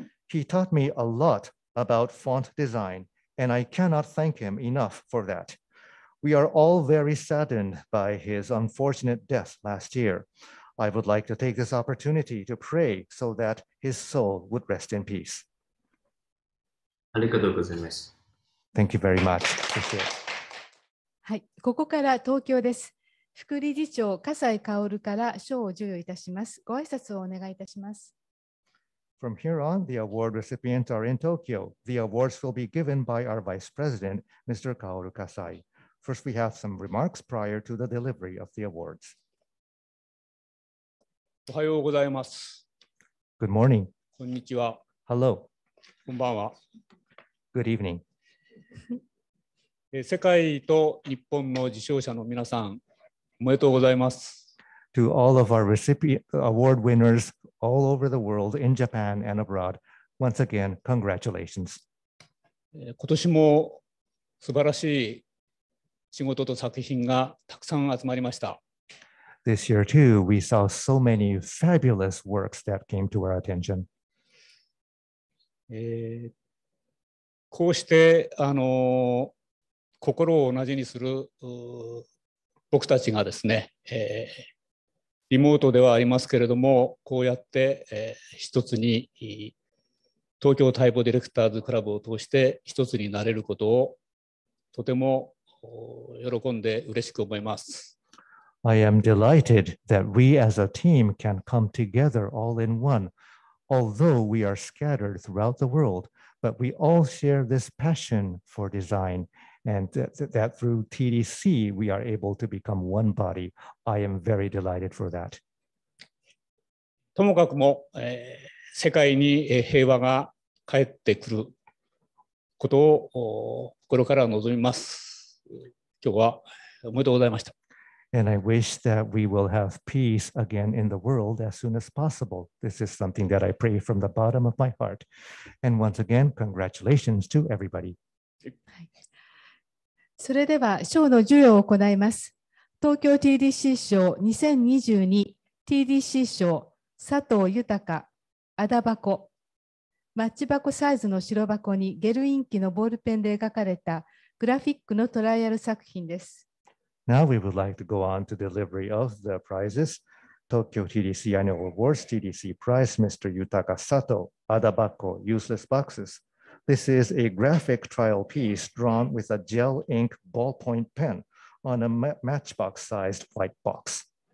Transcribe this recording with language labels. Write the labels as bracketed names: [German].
[English] He taught me a lot about font design, and I cannot thank him enough for that. We are all very saddened by his unfortunate death last year. I would like to take this opportunity to pray so that his soul would rest in peace. [Japanese] ありがとうございます。 [English] Thank you very much. Appreciate it. [Japanese] はい、ここから東京です。副理事長笠井香織から賞を授与いたします。ご挨拶をお願いいたします。 [English] From here on, the award recipients are in Tokyo. The awards will be given by our Vice President, Mr. Kaoru Kasai. First, we have some remarks prior to the delivery of the awards. [Japanese] おはようございます。 [English] Good morning. [Japanese] こんにちは。 [English] Hello. [Japanese] こんばんは。 [English] Good evening. [Japanese] 世界と日本の受賞者の皆さん、おめでとうございます。 [English] To all of our award winners all over the world, in Japan and abroad, once again, congratulations. [Japanese] 今年も素晴らしい仕事と作品がたくさん集まりました。 [English] This year too, we saw so many fabulous works that came to our attention. [Japanese] こうして心を同じにする僕たちがですね、リモートではありますけれども、こうやって、一つに東京待望ディレクターズクラブを通して一つになれることをとても喜んで嬉しく思います。 [English] I am delighted that we as a team can come together all in one, although we are scattered throughout the world, but we all share this passion for design. And that through TDC, we are able to become one body. I am very delighted for that. [Japanese] ともかくも、世界に平和が帰ってくることを心から望みます。今日はおめでとうございました。 [English] And I wish that we will have peace again in the world as soon as possible. This is something that I pray from the bottom of my heart. And once again, congratulations to everybody. [Japanese] それでは賞の授与を行います。東京 TDC 賞 2022TDC 賞佐藤豊、アダ箱、マッチ箱サイズの白箱にゲルインキのボールペンで描かれたグラフィックのトライアル作品です。 [English] Now we would like to go on to delivery of the prizes. Tokyo TDC Annual Awards TDC Prize Mr. Yutaka Sato, アダ箱 Useless Boxes. This is a graphic trial piece drawn with a gel ink ballpoint pen on a matchbox sized white box.